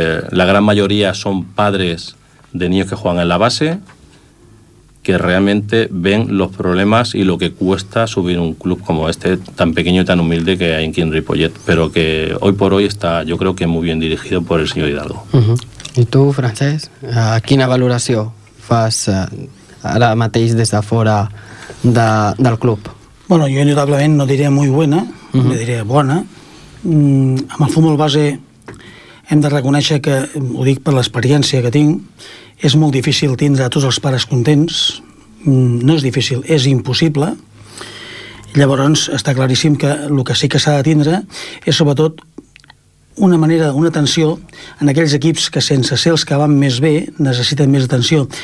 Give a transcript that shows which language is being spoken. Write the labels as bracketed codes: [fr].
[es] La gran mayoría son padres de niños que juegan en la base, que realmente ven los problemas y lo que cuesta subir un club como este, tan pequeño y tan humilde que hay en Quim Ripollet, pero que hoy por hoy está, yo creo que muy bien dirigido por el señor Hidalgo. [ca] Uh-huh. I tu, Francesc, quina valoració fas ara mateix des de fora del club? Bueno, jo indudablement no diré [es] muy buena, [ca] uh-huh. [es] Le [ca] diré bona. Amb el futbol base hem de reconèixer que, ho dic per l'experiència que tinc, és molt difícil tindre a tots els pares contents, no és difícil, és impossible. Llavors està claríssim que el que sí que s'ha de tindre és sobretot una manera, una atenció en aquells equips que sense ser els que van més bé necessiten més atenció.